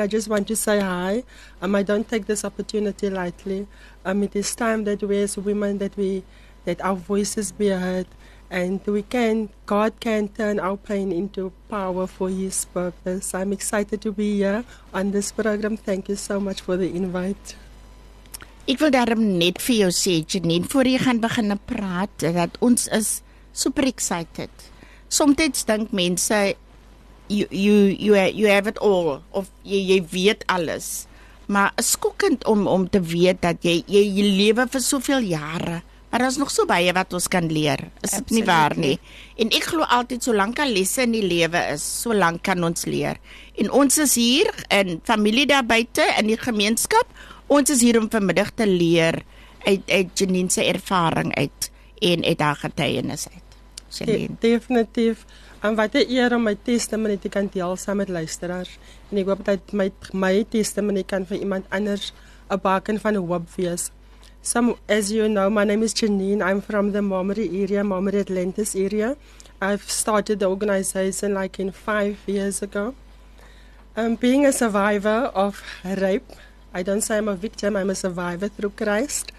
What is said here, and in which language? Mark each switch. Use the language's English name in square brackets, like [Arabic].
[English] I just want to say hi. I don't take this opportunity lightly. It is time that we as women that our voices be heard, and God can turn our pain into power for His purpose. I'm excited to be here on this program. Thank you so much for the invite. [Afrikaans] Ek wil daarom net vir jou sê, Janine, voor jy gaan begin praat, dat ons is [English] super excited. Sometimes [Afrikaans] dink mense, [English] You have it all, [Afrikaans] of jy weet alles. Maar is skokkend om te weet dat jy lewe vir soveel jare, maar daar is nog so baie wat ons kan leer. Is dit nie waar nie? En ek glo altyd, solank al lesse in die lewe is, solank kan ons leer. En ons is hier, in familie daar buiten, in die gemeenskap, ons is hier om vanmiddag te leer uit Janine se ervaring uit, en uit haar getuienis uit. Definitief. En wat een eer om my testimony te kan deel saam met luisteraars. En ek hoop dat my testimony kan vir iemand anders een baken van hoop wees. [English] So, as you know, my name is Janine. I'm from the Marmory area, Marmory Atlantis area. I've started the organization like in 5 years ago. Being a survivor of rape, I don't say I'm a victim, I'm a survivor through Christ.